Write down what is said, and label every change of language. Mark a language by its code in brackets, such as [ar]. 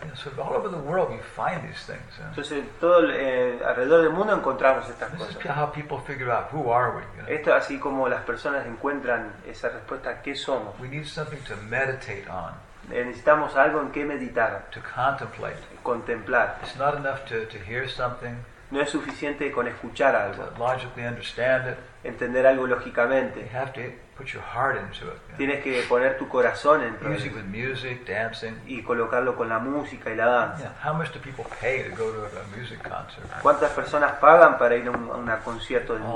[en] Yeah, so all over the world you find these things. [es] Entonces todo alrededor del mundo encontramos estas [en] this [es] cosas. [en] This is how people figure out who are we. Yeah. [es] Esto así como las personas encuentran esa respuesta a qué somos. [en] We need something to meditate on. [es] Necesitamos algo en qué meditar. [en] To contemplate. [es] Contemplar. [en] It's not enough to hear something. [es] No es suficiente con escuchar algo. [en] To logically understand it. [es] Entender algo lógicamente. [en] You have to put your heart into it. [es] Tienes que poner tu corazón en. [en] Music with music, dancing. [es] Y colocarlo con la música y la danza. [en] Yeah. How much do people pay to go to a music concert? [es] ¿Cuántas personas pagan para ir a un concierto de música?